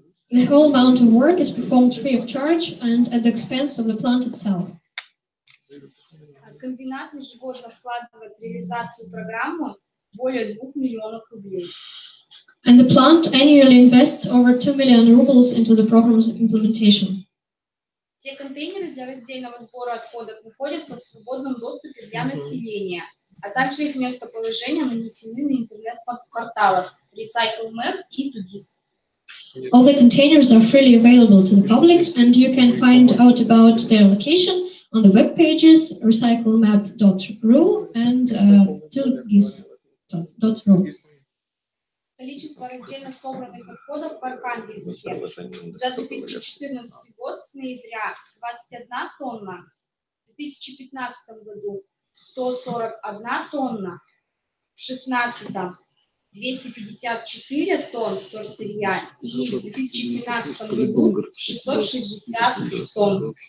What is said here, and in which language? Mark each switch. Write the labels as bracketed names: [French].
[English] The whole amount of work is performed free of charge and at the expense of the plant itself. [Russian] Комбинат ежегодно вкладывает в реализацию программы более 2 миллионов рублей. [English] And the plant annually invests over 2 million rubles into the program's implementation. [Russian] Все контейнеры для раздельного сбора отходов находятся в свободном доступе для населения, а также их местоположение нанесены на интернет-порталах Recycle Map и Tugis. [English] All the containers are freely available to the public, and you can find out about their location on the web pages recyclemap.ru and tugis.ru. [Russian] Количество раздельно собранных отходов в Архангельске за 2014 год с ноября 21 тонна, в 2015 году 141 тонна, в 16 254 тонн вторсырья и в 2017 году 660 тонн.